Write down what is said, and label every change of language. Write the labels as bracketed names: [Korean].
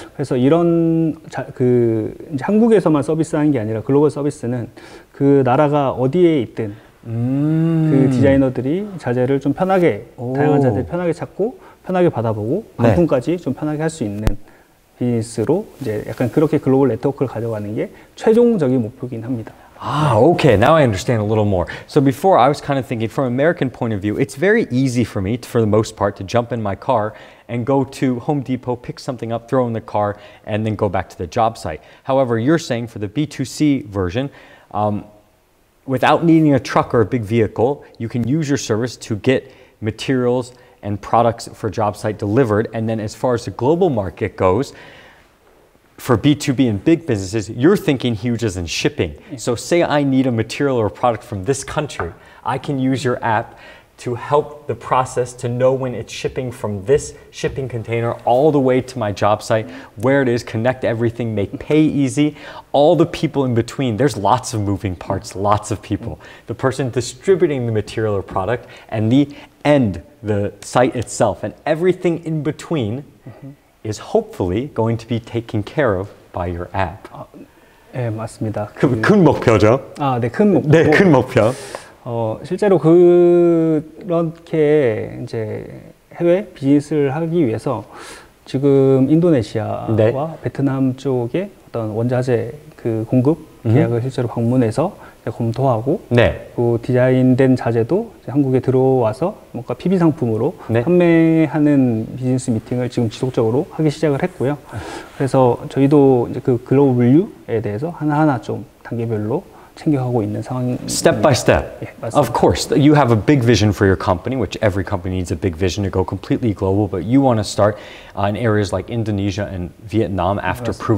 [Korean] 그래서 이런 그 이제 한국에서만 서비스하는 게 아니라 글로벌 서비스는 그 나라가 어디에 있든 그 디자이너들이 자재를 좀 편하게 다양한 자재를 편하게 찾고 편하게 받아보고 반품까지 네. 좀 편하게 할 수 있는 비즈니스로 이제 약간 그렇게 글로벌 네트워크를 가져가는 게 최종적인 목표이긴 합니다. [English] Ah, okay. Now I understand a little more. So before I was kind of thinking from American point of view, it's very easy for me to, for the most part to jump in my car and go to Home Depot, pick something up, throw in the car and then go back to the job site. However, you're saying for the B2C version, without needing a truck or a big vehicle, you can use your service to get materials and products for job site delivered. And then as far as the global market goes, for B2B and big businesses, you're thinking huge as in shipping. So say I need a material or a product from this country, I can use your app to help the process to know when it's shipping from this shipping container all the way to my job site, where it is, connect everything, make pay easy. All the people in between, there's lots of moving parts, lots of people. The person distributing the material or product and the end, the site itself, and everything in between is hopefully going to be taken care of by your app. [Korean] 예, 네, 맞습니다. 큰 목표죠. 아, 네, 큰 목표. 네, 큰 목표. 실제로 그렇게 이제 해외 비즈니스를 하기 위해서 지금 인도네시아와 네. 베트남 쪽에 어떤 원자재 그 공급 계약을 실제로 방문해서 검토하고 네. 그 디자인된 자재도 한국에 들어와서 뭔가 PB 상품으로 네. 판매하는 비즈니스 미팅을 지금 지속적으로 하기 시작을 했고요. 그래서 저희도 이제 그 글로벌 물류에 대해서 하나하나 좀 단계별로 챙겨가고 있는 상황입니다. [English] Step by step. [Korean] 예, 맞습니다. [English] Of course, you have a big vision for your company, which every company needs a big vision to go completely global, but you want to start in areas like Indonesia and Vietnam after [Korean] 맞습니다.